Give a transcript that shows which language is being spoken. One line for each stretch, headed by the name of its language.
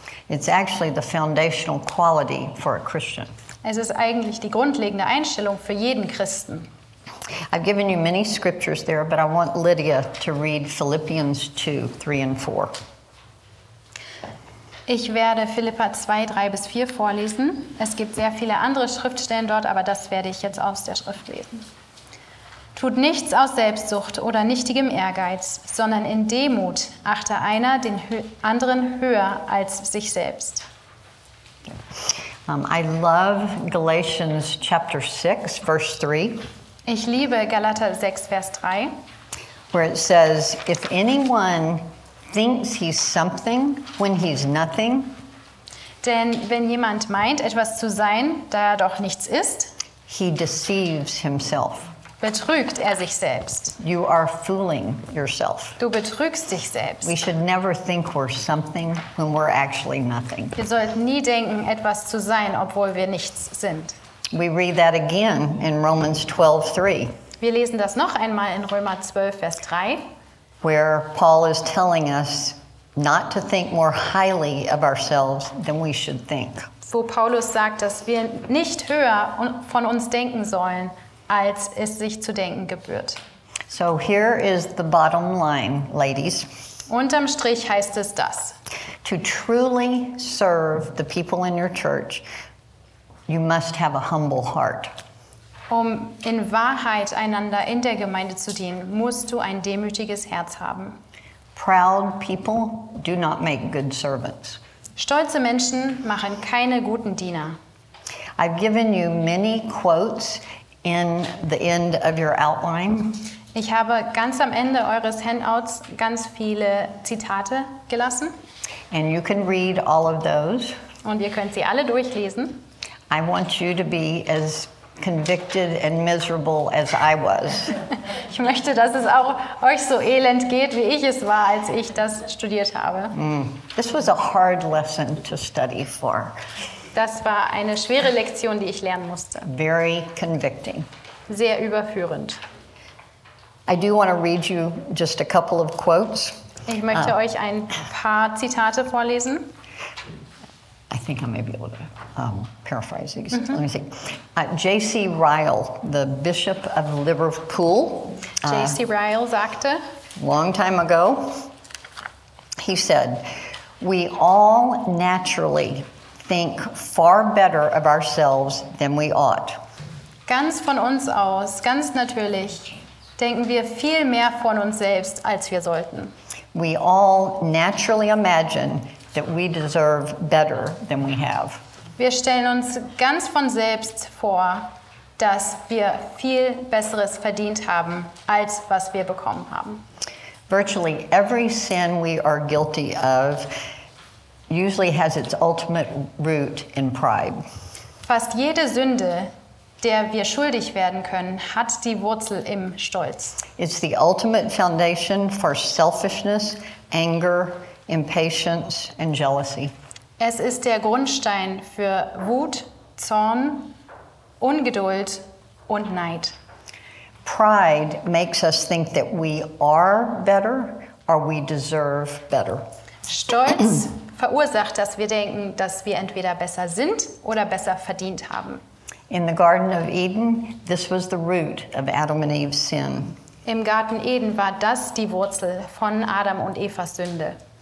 English: It's actually the foundational quality for a Christian.
German: Es ist eigentlich die grundlegende Einstellung für jeden Christen.
English: I've given you many scriptures there, but I want Lydia to read Philippians 2, 3 and 4.
German: Ich werde Philippa 2, 3 bis 4 vorlesen. Es gibt sehr viele andere Schriftstellen dort, aber das werde ich jetzt aus der Schrift lesen. Tut nichts aus Selbstsucht oder nichtigem Ehrgeiz, sondern in Demut achte einer den anderen höher als sich selbst.
English: I love Galatians chapter 6, verse 3.
German: Ich liebe Galater 6, Vers 3.
English: Where it says, if anyone thinks he's something when he's nothing.
German: Denn wenn jemand meint, etwas zu sein, da er doch nichts ist.
English: He deceives himself.
German: Betrügt er sich selbst.
English: You are fooling yourself.
German: Du betrügst dich selbst.
English: We should never think we're something when we're actually nothing.
German: Wir sollten nie denken, etwas zu sein, obwohl wir nichts sind.
English: We read that again in Romans 12, 3.
German: Wir lesen das noch einmal in Römer 12, Vers 3.
English: Where Paul is telling us not to think more highly of ourselves than we should think.
German: Wo Paulus sagt, dass wir nicht höher von uns denken sollen, als es sich zu denken gebührt.
English: So here is the bottom line, ladies.
German: Unterm Strich heißt es das.
English: To truly serve the people in your church, you must have a humble heart.
German: Um in Wahrheit einander in der Gemeinde zu dienen, musst du ein demütiges Herz haben.
English: Proud people do not make good servants.
German: Stolze Menschen machen keine guten Diener.
English: I've given you many quotes in the end of your outline.
German: Ich habe ganz am Ende eures Handouts ganz viele Zitate gelassen.
English: And you can read all of those.
German: Und ihr könnt sie alle durchlesen.
English: I want you to be as convicted and miserable as I was.
German: Ich möchte, dass es auch euch so elend geht, wie ich es war, als ich das studiert habe.
English: This was a hard lesson to study for.
German: Das war eine schwere Lektion, die ich lernen musste.
English: Very convicting.
German: Sehr überführend.
English: I do want to read you just a couple of quotes.
German: Ich möchte euch ein paar Zitate vorlesen.
English: I think I may be able to paraphrase these. Mm-hmm. Let me see. J.C. Ryle, the Bishop of Liverpool.
German: J.C. Ryle sagte.
English: Long time ago, he said, "We all naturally think far better of ourselves than we ought."
German: Ganz von uns aus, ganz natürlich, denken wir viel mehr von uns selbst, als wir sollten.
English: We all naturally imagine that we deserve better than we have.
German: Wir stellen uns ganz von selbst vor, dass wir viel Besseres verdient haben, als was wir bekommen haben.
English: Virtually every sin we are guilty of usually has its ultimate root in pride.
German: Fast jede Sünde, der wir schuldig werden können, hat die Wurzel im Stolz.
English: It's the ultimate foundation for selfishness, anger, impatience and jealousy.
German: Es ist der Grundstein für Wut, Zorn, Ungeduld und Neid.
English: Pride makes us think that we are better or we deserve better.
German: Stolz verursacht, dass wir denken, dass wir entweder besser sind oder besser verdient haben.
English: In the Garden of Eden, this was the root of Adam and Eve's sin.
German: Im Garten Eden war das die Wurzel von Adam und Evas Sünde.